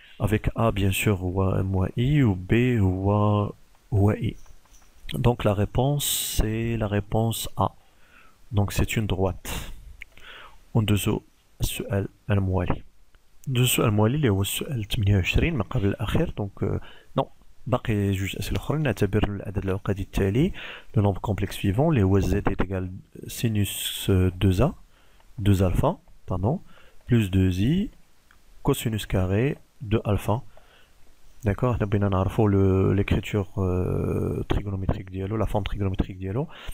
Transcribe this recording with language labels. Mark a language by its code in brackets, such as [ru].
[fr] Avec A bien sûr ou A moins I ou B ou A I. Donc la réponse c'est la réponse A. Donc c'est une droite. [ar] En dessous, سؤال الموالي. سؤال الموالي اللي هو السؤال 28 من قبل الأخير. [fr] Donc non, [ar] باقي جوج أسئلة أخرى. نعتبر العدد العقدي التالي. [fr] Le nombre complexe suivant, les z est égal sinus 2A, 2 alpha, pardon, plus 2i, cosinus carré, 2 alpha. D'accord, nous avons besoin de l'écriture trigonométrique dialo, la forme trigonométrique dialo.